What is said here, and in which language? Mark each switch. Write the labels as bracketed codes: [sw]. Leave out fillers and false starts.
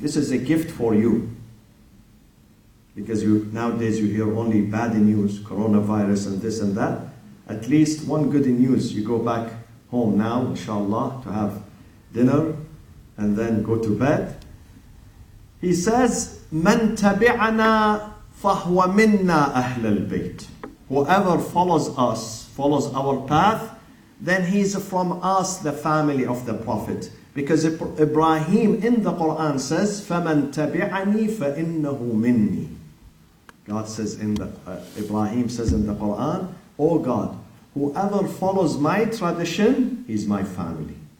[en] This is a gift for you. Because you nowadays you hear only bad news, coronavirus and this and that. At least one good news, you go back home now, inshallah, to have dinner and then go to bed. He says, [ar] مَنْ تَبِعَنَا فَهْوَ مِنَّا أَهْلَ الْبَيْتِ. [en] Whoever follows us, follows our path, then he's from us, the family of the Prophet. Because Ibrahim in the Quran says, [ar] فَمَنْ تَبِعَنِي فَإِنَّهُ مِنِّي. [en] God says in the, Ibrahim says in the Quran, oh God, whoever follows my tradition, he's my family.